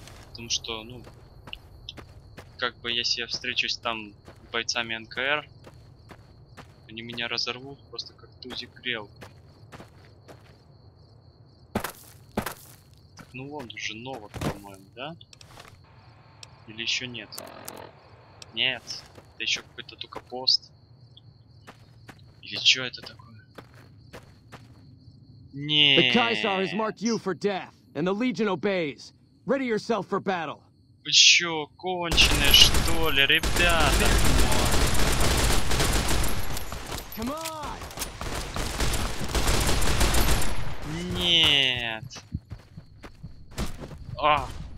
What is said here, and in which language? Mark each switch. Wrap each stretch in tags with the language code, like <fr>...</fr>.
<ru>Потому что, ну, как бы если я встречусь там с бойцами НКР, они меня разорвут просто как тузик грелки. Так, ну вон уже Новак, по-моему, да? Или еще нет? Нет, это еще какой-то только пост. Или что это такое? Нет.</ru> <en>The Kaisar has marked you for death, and the Legion obeys. Ready yourself for battle.</en> <ru>Вы чё, конченые что ли, ребята?</ru> <en>Come on!</en> <ru>Нет. А.</ru>